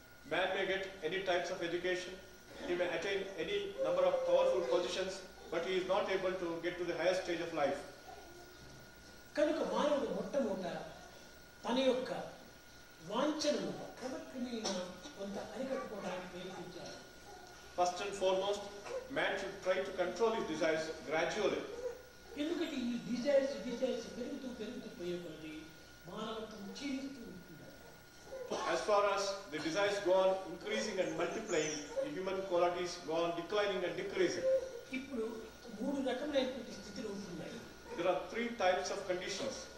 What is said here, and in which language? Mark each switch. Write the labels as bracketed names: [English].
[English] Man may get any types of education, he may attain any number of powerful positions, but he is not able to get to the highest stage of life. [Telugu] కనుక మానవుడు మొట్టమొదట తన యొక్క వాంఛనను కమక్కినిన కొంత అరికట్టుకోవడానికి ప్రయత్నించాలి. [English] First and foremost man should try to control his desires gradually. [Telugu] ఎందుకంటే ఈ desires పెరుగుతూ పోయే కొద్ది మానవత్వం క్షీణిస్తూ ఉంటుంది. [English] As far as the desires go on increasing and multiplying the human qualities go on declining and decreasing. [Telugu] ఇప్పుడు మూడు రకములైనటువంటి స్థితిలో ఉంటున్నాయి. [English] There are three types of conditions.